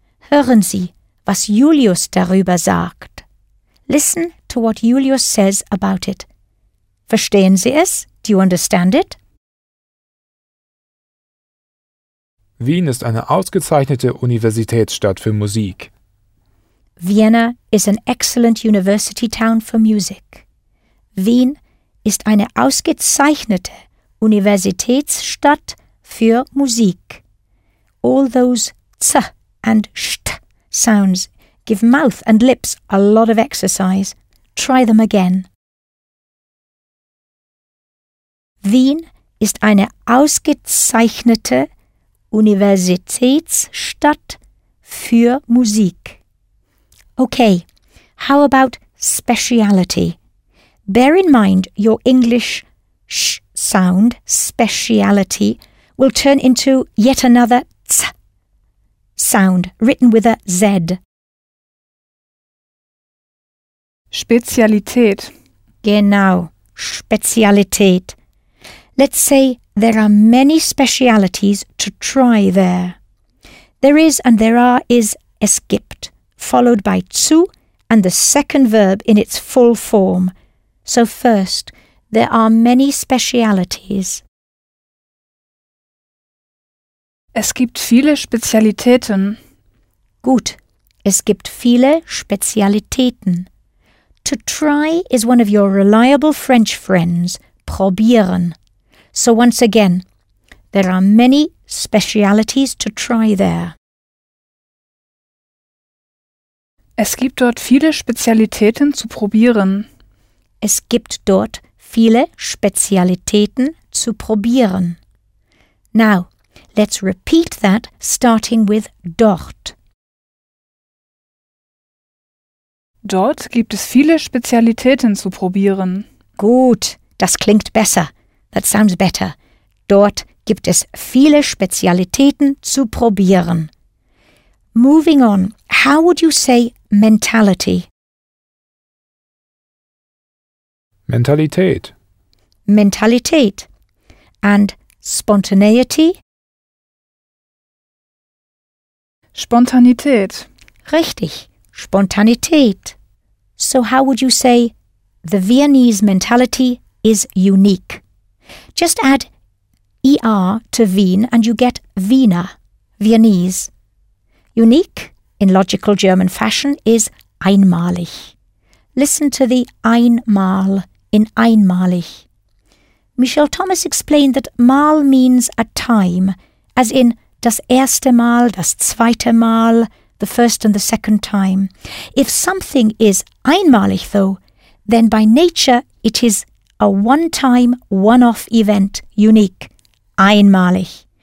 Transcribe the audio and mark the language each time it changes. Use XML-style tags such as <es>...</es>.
<de>Hören Sie, was Julius darüber sagt.</de> <en>Listen to what Julius says about it.</en> <de>Verstehen Sie es?</de> <en>Do you understand it?</en> <de>Wien ist eine ausgezeichnete Universitätsstadt für Musik.</de> <en>Vienna is an excellent university town for music.</en> <de>Wien ist eine ausgezeichnete Universitätsstadt für Musik.</de> <en>All those z and st sounds give mouth and lips a lot of exercise. Try them again.</en> <de>Wien ist eine ausgezeichnete Universitätsstadt für Musik.</de> <en>Okay, how about speciality? Bear in mind your English sh sound, speciality, will turn into yet another ts sound written with a z.</en> <de>Spezialität. Genau, Spezialität.</de> <en>Let's say there are many specialities to try there. There is and there are is es gibt, followed by zu and the second verb in its full form. So first, there are many specialities.</en> <de>Es gibt viele Spezialitäten. Gut, es gibt viele Spezialitäten.</de> <en>To try is one of your reliable French friends, probieren. So once again, there are many specialities to try there.</en> <de>Es gibt dort viele Spezialitäten zu probieren. Es gibt dort viele Spezialitäten zu probieren.</de> <en>Now, let's repeat that starting with dort.</en> <de>Dort gibt es viele Spezialitäten zu probieren. Gut, das klingt besser.</de> <en>That sounds better.</en> <de>Dort gibt es viele Spezialitäten zu probieren.</de> <en>Moving on, how would you say mentality?</en> <de>Mentalität.</de> <en>Mentalität. And spontaneity?</en> <de>Spontanität. Richtig, Spontanität.</de> <en>So how would you say the Viennese mentality is unique? Just add ER to Wien and you get Wiener, Viennese. Unique, in logical German fashion, is einmalig. Listen to the einmal in einmalig. Michel Thomas explained that mal means a time, as in</en> <de>das erste Mal, das zweite Mal,</de> <en>the first and the second time. If something is einmalig, though, then by nature it is a one-time, one-off event, unique, einmalig.</en>